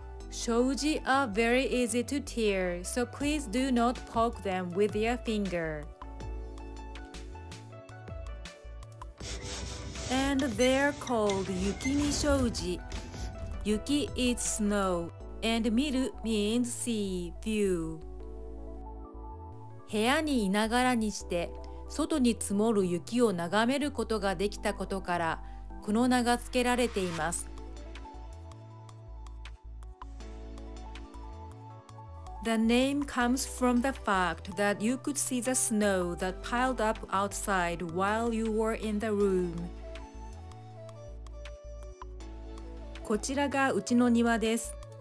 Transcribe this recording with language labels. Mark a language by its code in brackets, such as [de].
[en] Shouji are very easy to tear, so please do not poke them with your finger. And they're called yukimi shouji. Yuki is snow, and miru means see, view. [ja] 部屋にいながらにして、外に積もる雪を眺めることができたことから、この名が付けられています。 [en] The name comes from the fact that you could see the snow that piled up outside while you were in the room. [ja] こちらがうちの庭です。